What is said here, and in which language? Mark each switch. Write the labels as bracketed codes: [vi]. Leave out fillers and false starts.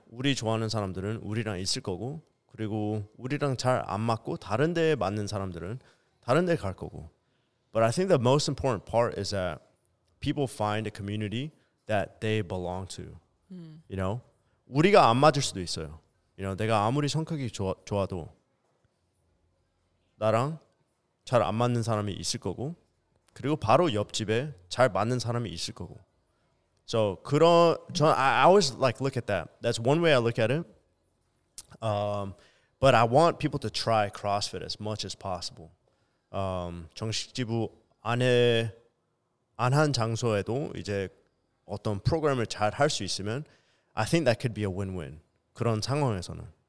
[ko] 우리 좋아하는 사람들은 우리랑 있을 거고 그리고 우리랑 잘 안 맞고 다른 데에 맞는 사람들은 다른 데 갈 거고. [en] But I think the most important part is that people find a community that they belong to. You know? [ko] 우리가 안 맞을 수도 있어요. [en] You know, [ko] 내가 아무리 성격이 좋아도 나랑 잘 안 맞는 사람이 있을 거고 그리고 바로 옆집에 잘 맞는 사람이 있을 거고. [en] So, [ko] 그런 전 [en] I always like look at that. That's one way I look at it. But I want people to try CrossFit as much as possible. [ko] 정식 지부 안에 안 한 장소에도 이제 어떤 프로그램을 잘 할 수 있으면 [en] I think that could be a win-win. [ko] 그런 상황에서는.